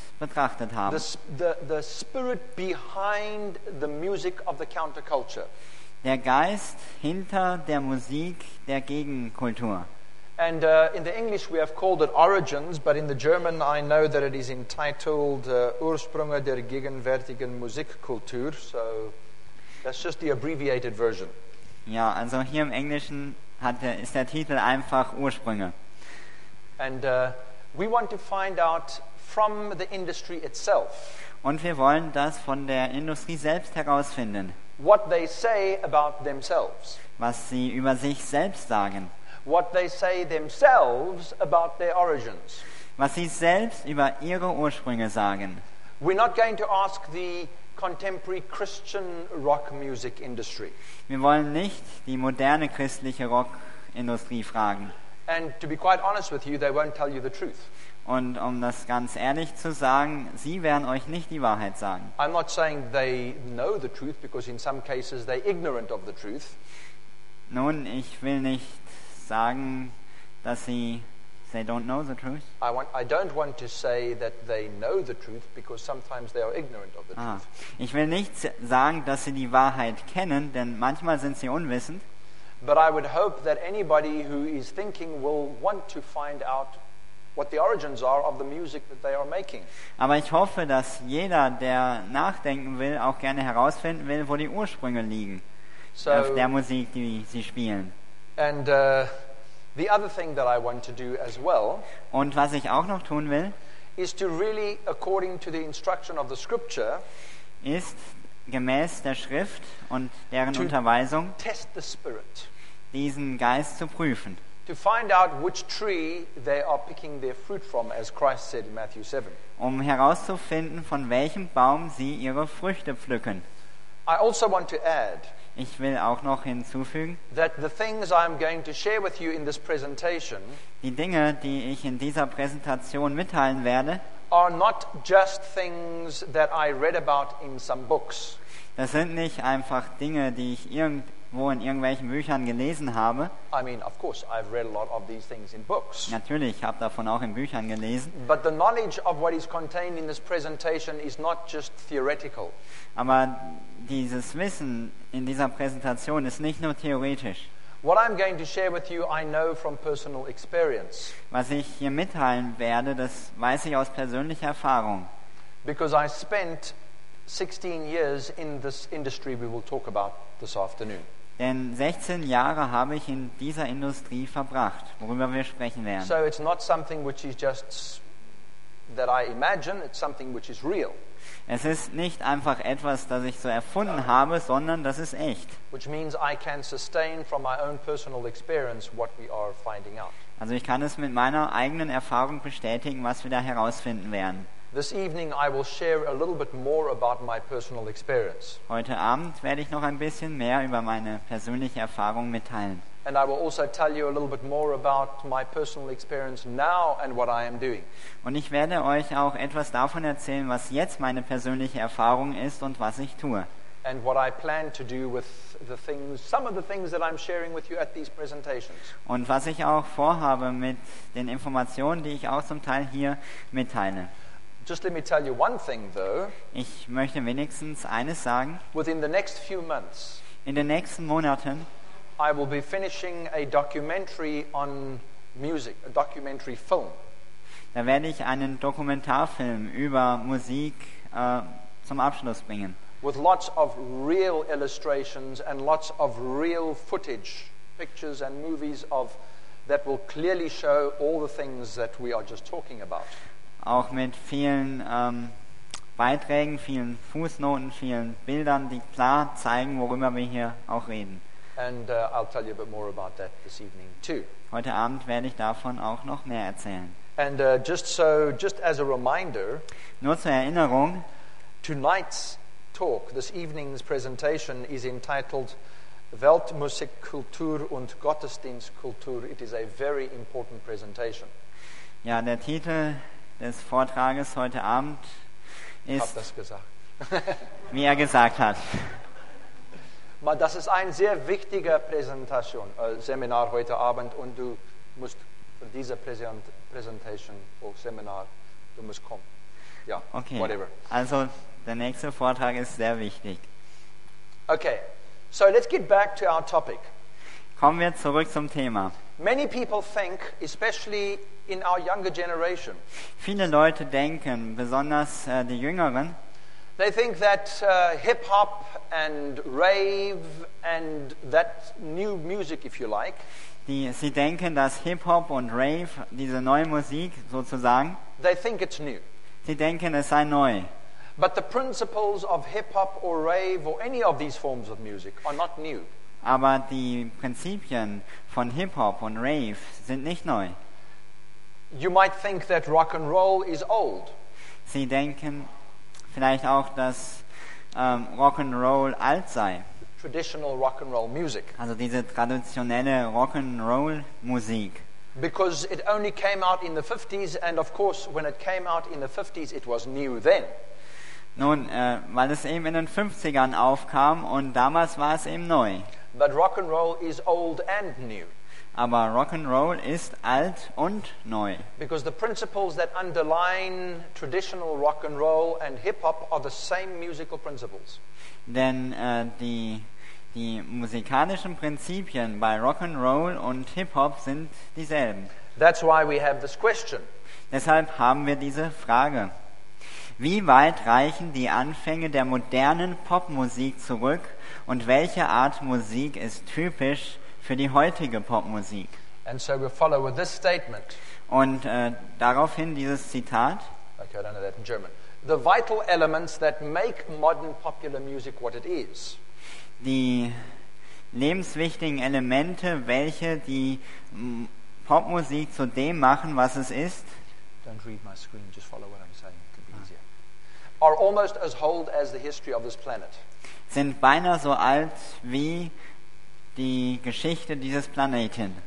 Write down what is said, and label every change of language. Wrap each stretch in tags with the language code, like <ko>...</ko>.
<de>betrachtet haben.</de> <en>The spirit behind the music of the counterculture.</en> <de>Der Geist hinter der Musik der Gegenkultur.</de> <en>And in the English we have called it Origins, but in the German I know that it is entitled</en> <de>Ursprünge der gegenwärtigen Musikkultur.</de> <en>So that's just the abbreviated version.</en> <de>Ja, also hier im Englischen ist der Titel einfach Ursprünge.</de> <en>And we want to find out from the industry itself.</en> <de>Und wir wollen das von der Industrie selbst herausfinden.</de> <en>What they say about themselves.</en> <de>Was sie über sich selbst sagen.</de> <en>What they say themselves about their origins.</en> <de>Was sie selbst über ihre Ursprünge sagen.</de> <en>We're not going to ask the contemporary Christian rock music industry.</en> <de>Wir wollen nicht die moderne christliche Rockindustrie fragen.</de> <en>And to be quite honest with you, they won't tell you the truth.</en> <de>Und um das ganz ehrlich zu sagen, sie werden euch nicht die Wahrheit sagen.</de> <en>I'm not saying they know the truth, because in some cases they're ignorant of the truth.</en> <de>Nun, ich will nicht sagen, dass sie</de> <en>they don't know the truth. I don't want to say that they know the truth, because sometimes they are ignorant of the truth.</en> <de>Ich will nicht sagen, dass sie die Wahrheit kennen, denn manchmal sind sie unwissend.</de> <en>But I would hope that anybody who is thinking will want to find out what the origins are of the music that they are making.</en> <de>Aber ich hoffe, dass jeder, der nachdenken will, auch gerne herausfinden will, wo die Ursprünge liegen auf der Musik, die sie spielen.</de> <en>And the other thing that I want to do as well,</en> <de>und was ich auch noch tun will,</de> <en>is to really, according to the instruction of the scripture,</en> <de>ist gemäß der Schrift und deren Unterweisung,</de> <en>test the spirit,</en> <de>diesen Geist zu prüfen.</de> <en>To find out which tree they are picking their fruit from, as Christ said in Matthew 7.</en> <de>Um herauszufinden, von welchem Baum sie ihre Früchte pflücken.</de> <en>I also want to add,</en> <de>ich will auch noch hinzufügen,</de> <en>that the things I'm going to share with you in this presentation,</en> <de>die Dinge, die ich in dieser Präsentation mitteilen werde,</de> <en>are not just things that I read about in some books.</en> <de>Das sind nicht einfach Dinge, die ich irgendwo in irgendwelchen Büchern gelesen habe.</de> <en>I mean, of course, I've read a lot of these things in books.</en> <de>Natürlich, ich habe davon auch in Büchern gelesen.</de> <en>But the knowledge of what is contained in this presentation is not just theoretical.</en> <de>Aber dieses Wissen in dieser Präsentation ist nicht nur theoretisch.</de> <en>What I'm going to share with you, I know from personal experience.</en> <de>Was ich hier mitteilen werde, das weiß ich aus persönlicher Erfahrung.</de> <en>Because I spent 16 years in this industry we will talk about this afternoon.</en> <de>Denn 16 Jahre habe ich in dieser Industrie verbracht, worüber wir sprechen werden.</de> <en>So it's not something which is just that I imagine, it's something which is real.</en> <de>Es ist nicht einfach etwas, das ich so erfunden habe, sondern das ist echt.</de> <en>Which means I can sustain from my own personal experience what we are finding out.</en> <de>Also ich kann es mit meiner eigenen Erfahrung bestätigen, was wir da herausfinden werden.</de> <en>This evening I will share a little bit more about my personal experience.</en> <de>Heute Abend werde ich noch ein bisschen mehr über meine persönliche Erfahrung mitteilen.</de> <en>And I will also tell you a little bit more about my personal experience now and what I am doing.</en> <de>Und ich werde euch auch etwas davon erzählen, was jetzt meine persönliche Erfahrung ist und was ich tue.</de> <en>And what I plan to do with the things, some of the things that I'm sharing with you at these presentations.</en> <de>Und was ich auch vorhabe mit den Informationen, die ich auch zum Teil hier mitteile.</de> <en>Just let me tell you one thing though.</en> <de>Ich möchte wenigstens eines sagen.</de> <en>Within the next few months.</en> <de>In den nächsten Monaten.</de> <en>I will be finishing a documentary on music, a documentary film.</en> <de>Da werde ich einen Dokumentarfilm über Musik zum Abschluss bringen.</de> <en>With lots of real illustrations and lots of real footage, pictures and movies of that will clearly show all the things that we are just talking about.</en> <de>Auch mit vielen Beiträgen, vielen Fußnoten, vielen Bildern, die klar zeigen, worüber wir hier auch reden.</de> <en>And I'll tell you a bit more about that this evening too.</en> <de>Heute Abend werde ich davon auch noch mehr erzählen.</de> <en>And just as a reminder,</en> <de>nur zur Erinnerung,</de> <en>tonight's talk, this evening's presentation is entitled Weltmusikkultur und Gottesdienstkultur. It is a very important presentation.</en> <de>Ja, der Titel des Vortrages heute Abend ist, ich hab das gesagt. Wie er gesagt hat. Das ist eine sehr wichtige Präsentation, Seminar heute Abend, und du musst für diese Präsentation oder Seminar, du musst kommen.</de> <en>yeah, okay. Whatever.</en> <de>Also, der nächste Vortrag ist sehr wichtig.</de> <en>Okay, so let's get back to our topic.</en> <de>Kommen wir zurück zum Thema.</de> <en>Many people think, especially in our younger generation.</en> <de>Viele Leute denken, besonders die Jüngeren.</de> <en>They think that hip hop and rave and that new music, if you like.</en> <de>Sie denken, dass Hip Hop und Rave, diese neue Musik sozusagen.</de> <en>They think it's new.</en> <de>Sie denken, es sei neu.</de> <en>But the principles of hip hop or rave or any of these forms of music are not new.</en> <de>Aber die Prinzipien von Hip Hop und Rave sind nicht neu.</de> <en>You might think that rock and roll is old.</en> <de>Sie denken vielleicht auch, dass Rock and Roll alt sei.</de> <en>Traditional rock and roll music.</en> <de>Also diese traditionelle Rock and Roll Musik.</de> <en>Because it only came out in the 50s, and of course, when it came out in the 50s, it was new then.</en> <de>Nun, weil es eben in den 50ern aufkam und damals war es eben neu.</de> <en>But rock and roll is old and new.</en> <de>Aber Rock and Roll ist alt und neu.</de> <en>Because the principles that underline traditional rock and roll and hip hop are the same musical principles.</en> <de>Denn die musikalischen Prinzipien bei Rock and Roll und Hip Hop sind dieselben.</de> <en>That's why we have this question.</en> <de>Deshalb haben wir diese Frage. Wie weit reichen die Anfänge der modernen Popmusik zurück und welche Art Musik ist typisch für die heutige Popmusik?</de> <en>And so we'll follow with this statement.</en> <de>Und daraufhin dieses Zitat.</de> <en>Okay, I don't know that in German. The vital elements that make modern popular music what it is.</en> <de>Die lebenswichtigen Elemente, welche die Popmusik zu dem machen, was es ist.</de> <en>Don't read my screen, just follow what I'm saying. Are almost as old as the history of this planet.</en> <de>Sind beinahe so alt wie die Geschichte dieses Planeten.</de>